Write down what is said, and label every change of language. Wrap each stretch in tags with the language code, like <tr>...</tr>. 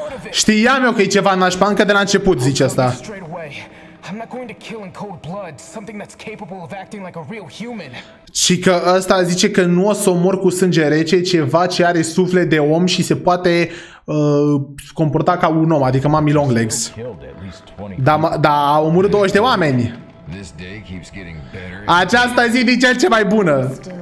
<ro>Știam eu că e ceva nașpa încă de la început, zice asta.</ro> <en>I'm not going to kill in cold blood something that's capable of acting like a real human.</en> <ro>Și că ăsta zice că nu o să omor cu sânge rece ceva ce are suflet de om și se poate comporta ca un om, adică Mami Longlegs. Da, a omorât 20 de oameni.</ro> <en>This day keeps getting better.</en> <ro>Aceasta zi din cel ce mai bună.</ro>